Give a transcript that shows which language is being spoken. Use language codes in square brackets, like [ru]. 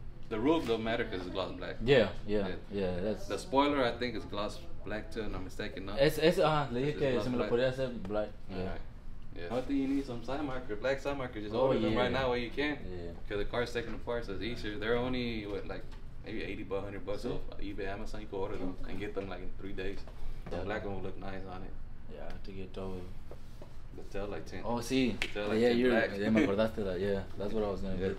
[en] The roof don't matter because it's gloss black. Yeah, the spoiler I think is gloss black too, and I'm mistaken. No. [es] Le dije que se me lo podía hacer black. [en] Yeah. Right. Yeah. You need some side marker, black side marker. Just order them right now while you can. Yeah. Because the car's taking apart, so it's easier. They're only what, like maybe 80 bucks, 100 bucks off eBay, Amazon. You can order them and get them like in 3 days. The black one will look nice on it. Yeah, to get those. The tail light tint. Oh, see. That's what I was gonna get.